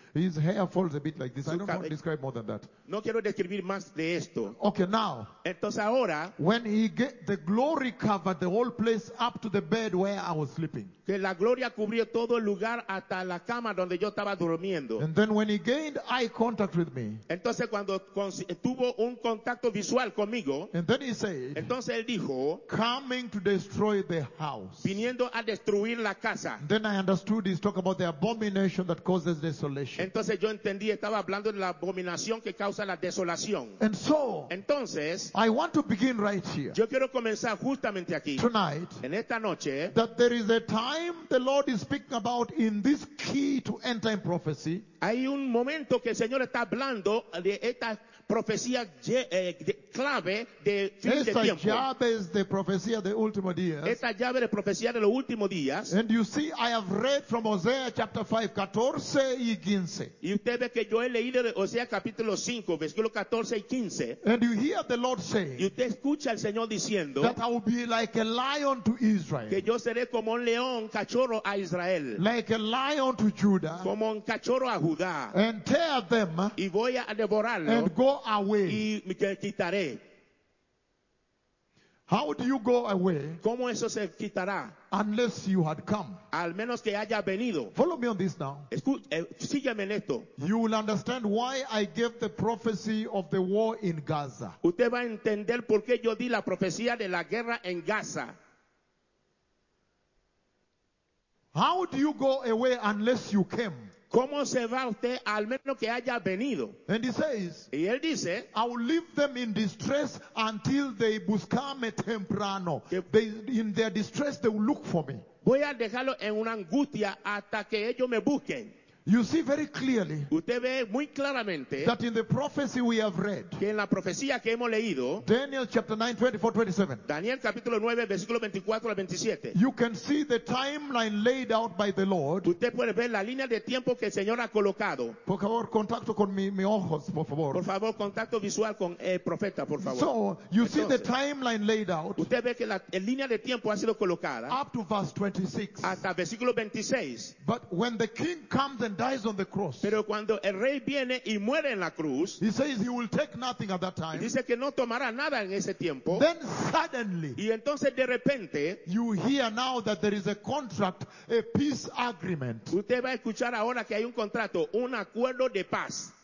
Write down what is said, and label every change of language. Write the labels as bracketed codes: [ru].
[en] His hair falls a bit like this. I don't want to describe more than that. [es] No quiero describir más de esto. [en] Okay, now. [es] Entonces ahora, [en] when he get the glory covered the whole place up to the bed where I was sleeping. [es] Que la gloria cubrió todo el lugar hasta la cama donde yo estaba durmiendo. [en] And then when he gained eye contact with me. [es] Entonces cuando tuvo un contacto visual conmigo. [en] And then he said. [es] Entonces él dijo. [en] Coming to destroy the house. [es] Viniendo a destruir la casa. [en] And then I understood he's talking about the abomination that caused. [es] Entonces yo entendí, estaba hablando de la abominación que causa la desolación. [en] And so, [es] entonces, [en] I want to begin right here. [es] Yo quiero comenzar justamente aquí. [en] Tonight, [es] en esta noche, [en] that there is a time the Lord is speaking about in this key to end time prophecy. [es] Hay un momento que el Señor está hablando de esta profecía clave de fin esta de tiempo. Esta llave es de profecía de último día. Esta llave de profecía de los últimos días. [en] And you see, I have read from Hosea chapter 5, 14 y 15. [es] Y usted ve que yo he leído de Hosea capítulo 5, versículo 14 y 15. [en] And you hear the Lord saying. [es] Y usted escucha al Señor diciendo. [en] That I will be like a lion to Israel. [es] Que yo seré como un león cachorro a Israel. [en] Like a lion to Judah. [es] Como un cachorro a Judá. [en] And tear them. [es] Y voy a devorarlo. [en] And go away. [es] Y me quitaré. [en] How do you go away? [es] ¿Cómo eso se quitará? [en] Unless you had come. [es] Al menos que haya venido. [en] Follow me on this now. [es] Sígueme en esto. [en] You will understand why I gave the prophecy of the war in Gaza. [es] Usted va a entender por qué yo di la profecía de la guerra en Gaza. [en] How do you go away unless you came? [es] ¿Cómo se va usted al menos que haya venido? [en] And he says, [es] y él dice, [en] I will leave them in distress until they [es] buscarme temprano. [en] They, in their distress, they will look for me. [es] Voy a dejarlo en una angustia hasta que ellos me busquen. [en] You see very clearly [es] usted ve muy claramente [en] that in the prophecy we have read, [es] que en la profecía que hemos leído, [en] Daniel chapter 9, 24, 27, [es] Daniel capítulo 9, versículo 24 al 27, [en] you can see the timeline laid out by the Lord. [es] Usted puede ver la línea de tiempo que el Señor ha colocado. Por favor, contacto con mi ojos, por favor. Por favor, contacto visual con el profeta, por favor. [en] So, you [es] entonces, [en] see the timeline laid out. [es] Usted ve que la línea de tiempo ha sido colocada [en] up to verse 26. [es] Hasta versículo 26. [en] But when the king comes and dies on the cross. [es] Pero cuando el rey viene y muere en la cruz, [en] he says he will take nothing at that time. [es] Dice que no tomará nada en ese tiempo. [en] Then suddenly, [es] y entonces de repente, [en] you hear now that there is a contract, a peace agreement. [es] Usted va a escuchar ahora que hay un contrato, un acuerdo de paz.